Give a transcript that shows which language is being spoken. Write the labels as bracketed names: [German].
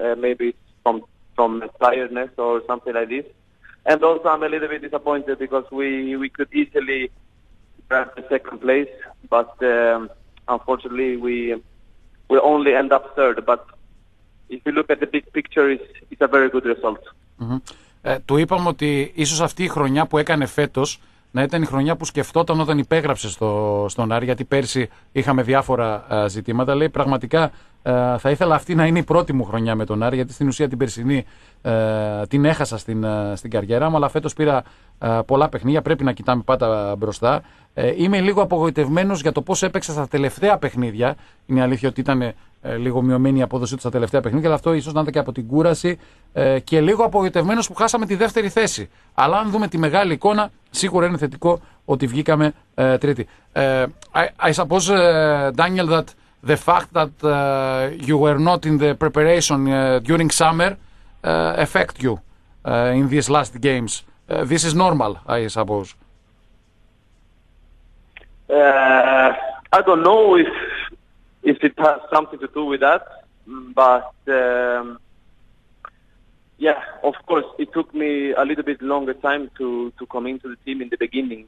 [English] Maybe from tiredness or something like this. And also, I'm a little bit disappointed because we could easily grab the second place, but unfortunately, we only end up third. But if you look at the big picture, it's a very good result. Mm-hmm. [Greek] Του είπαμε ότι ίσως αυτή η χρονιά που έκανε φέτος να ήταν η χρονιά που σκεφτόταν όταν υπέγραψε στον Άρη, γιατί πέρσι είχαμε διάφορα ζητήματα. Λέει, πραγματικά θα ήθελα αυτή να είναι η πρώτη μου χρονιά με τον Άρη, γιατί στην ουσία την περσινή την έχασα στην καριέρα μου, αλλά φέτος πήρα πολλά παιχνίδια, πρέπει να κοιτάμε πάντα μπροστά. Είμαι λίγο απογοητευμένος για το πώς έπαιξα στα τελευταία παιχνίδια. Είναι αλήθεια ότι ήταν λίγο μειωμένη η απόδοσή του στα τελευταία παιχνίδια, αλλά αυτό ίσως να ήταν και από την κούραση. Και λίγο απογοητευμένος που χάσαμε τη δεύτερη θέση. Αλλά αν δούμε τη μεγάλη εικόνα, σίγουρα είναι θετικό ότι βγήκαμε τρίτη. [English] I suppose, Daniel, that the fact that you were not in the preparation during summer affect you in these last games. This is normal, I suppose. I don't know if it has something to do with that, but yeah, of course, it took me a little bit longer time to come into the team in the beginning.